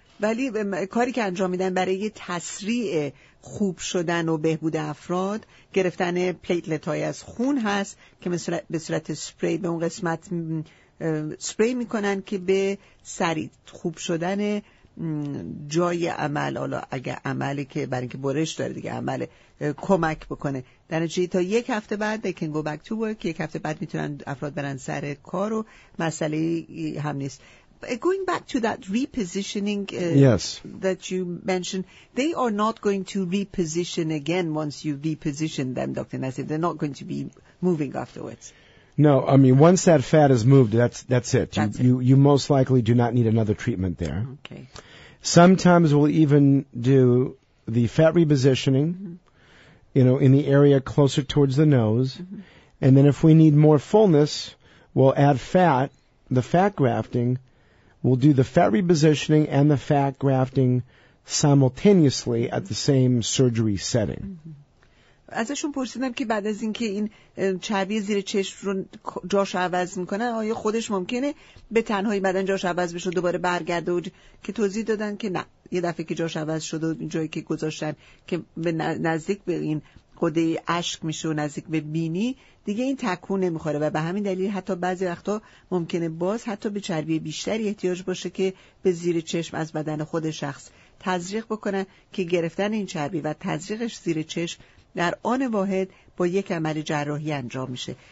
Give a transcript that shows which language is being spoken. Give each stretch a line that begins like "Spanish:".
Persian: ولی کاری که انجام میدن برای تسریع خوب شدن و بهبود افراد گرفتن پلیتلت های از خون هست که به صورت سپری به اون قسمت سپری میکنن که به سریع خوب شدن جای عمل، حالا اگر عملی که برای اینکه برش داره دیگه عمل، کمک بکنه. در نتیجه تا 1 هفته بعد
English: they can go back to work،
Persian: 1 هفته بعد میتونن افراد برن سر کار و مسئله هم نیست.
English: Going back to that repositioning that you mentioned, they are not going to reposition again once you reposition them, Dr. Nassif. They're not going to be moving afterwards. No, I mean, once that fat is moved, that's it. You most likely do not need another treatment there. Okay. Sometimes we'll even do the fat repositioning, mm-hmm. you know, in the area closer towards the nose. Mm-hmm. And then if we need more fullness, we'll add fat, the fat grafting. We'll do the fat repositioning and the fat grafting simultaneously at the same surgery setting.
Persian: ازشون پرسیدم که بعد از اینکه این چربی زیر چشم رو جاش عوض میکنن، آیا خودش ممکنه به تنهایی بدن جاش عوض بشه و دوباره برگرده؟ و که توضیح دادن که نه، یه دفعه که جاش عوض شد و جایی که گذاشتن که به نزدیک به این قده اشک میشه و نزدیک به بینی، دیگه این تکون نمیخوره و به همین دلیل حتی بعضی وقتا ممکنه باز حتی به چربی بیشتری احتیاج باشه که به زیر چشم از بدن خود شخص تزریق بکنن، که گرفتن این چربی و تزریقش زیر چشم در آن واحد با یک عمل جراحی انجام میشه.